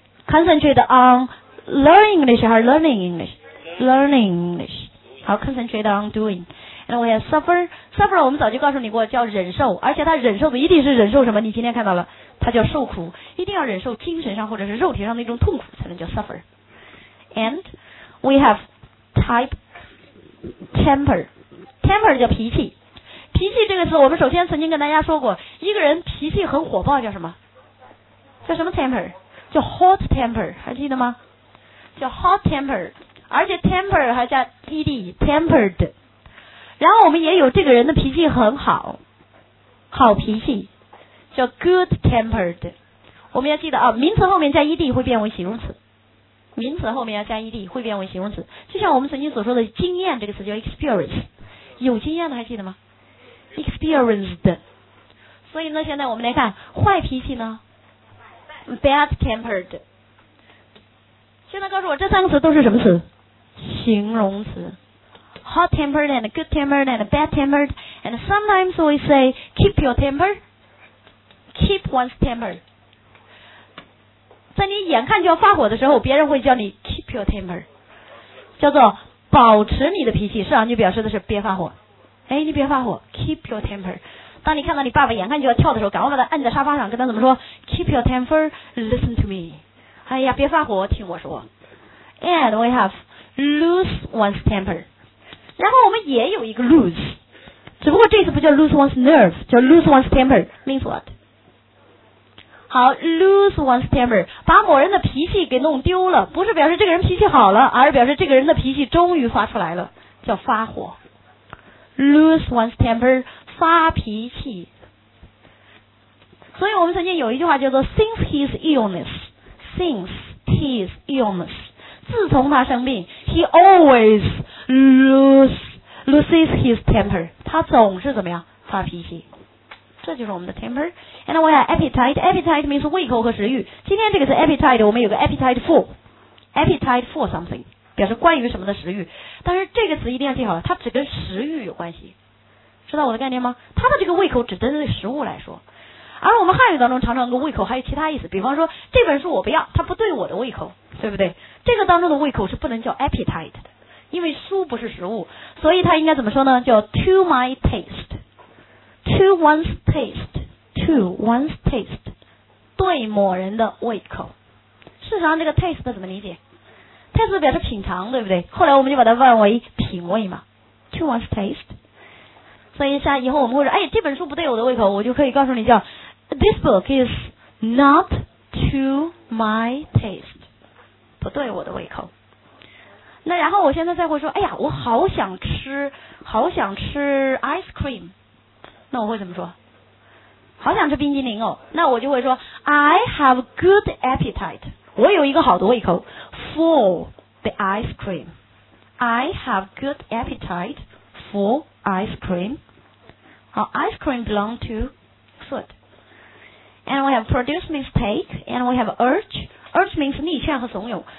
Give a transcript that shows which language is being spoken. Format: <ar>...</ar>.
<en>concentrate on learning English</en> <zh>还是</zh> <en>learning English。好， concentrate on doing. And we have suffer,</en> <zh>我们早就告诉你过叫忍受，而且他忍受的一定是忍受什么，你今天看到了，他叫受苦，一定要忍受精神上或者是肉体上的一种痛苦才能叫 suffer.</zh> <en>And we have temper</en> <zh>叫脾气。脾气这个词我们首先曾经跟大家说过，一个人脾气很火爆叫什么，叫什么 temper, 叫 hot temper, 还记得吗？叫 hot temper, 而且 temper 还叫 ed, tempered。然后我们也有这个人的脾气很好，好脾气叫 good tempered。我们要记得啊，名词后面加 ed 会变为形容词，名词后面要加 ed 会变为形容词。就像我们曾经所说的经验这个词叫 experience， 有经验的还记得吗？</zh> <en>experienced。</en> <zh>所以呢现在我们来看坏脾气呢， bad tempered。现在告诉我这三个词都是什么词？形容词。</zh> <en>Hot tempered and good tempered and bad tempered. And sometimes we say keep your temper, keep one's temper.</en> <zh>在你眼看就要发火的时候，别人会叫你</zh> <en>keep your temper，</en> <zh>叫做保持你的脾气。是啊，你表示的是别发火。哎，你别发火，</zh> <en>keep your temper。</en> <zh>当你看到你爸爸眼看就要跳的时候，赶快把他按在沙发上，跟他怎么说？</zh> <en>keep your temper, listen to me.</en> <zh>哎呀，别发火，听我说。</zh> <en>And we have lose one's temper.</en> <zh>然后我们也有一个 lose， 只不过这次不叫 lose one's nerve， 叫 lose one's temper， means what？好，</zh> <en>lose one's temper，</en> <zh>把某人的脾气给弄丢了，不是表示这个人脾气好了，而是表示这个人的脾气终于发出来了，叫发火。</zh> <en>lose one's temper， 发脾气。</en> <zh>所以我们曾经有一句话叫做</zh> <en>since his illness， since his illness，</en> <zh>自从他生病，</zh> <en>he alwaysloses his temper，</en> <zh>他总是怎么样发脾气。这就是我们的 temper。</zh> <en>And we have appetite， appetite means</en> <zh>胃口和食欲。今天这个是 appetite， 我们有个 appetite for，</zh> <en>appetite for something</en> <zh>表示关于什么的食欲。但是这个词一定要记好了，它只跟食欲有关系，知道我的概念吗？它的这个胃口只针对食物来说。而我们汉语当中常常跟胃口还有其他意思，比方说这本书我不要，它不对我的胃口，对不对？这个当中的胃口是不能叫 appetite 的，因为书不是食物，所以它应该怎么说呢？</zh> <en>叫 to my taste， to one's taste， to one's taste，</en> <zh>对某人的胃口。事实上这个 taste 怎么理解？taste 表示品尝，对不对？后来我们就把它换为品味嘛， to one's taste。所以像以后我们会说，哎，这本书不对我的胃口，我就可以告诉你叫</zh> <en>this book is not to my taste，</en> <zh>不对我的胃口。那然后我现在再会说，哎呀，我好想吃，好想吃 ice cream， 那我会怎么说？好想吃冰激凌哦，那我就会说</zh> <en>I have good appetite，</en> <zh>我有一个好的胃口</zh> <en>for the ice cream， I have good appetite for ice cream。好， ice cream belong to food。And we have produce means take， and we have urge means</en> <zh>力劝和怂恿。</zh>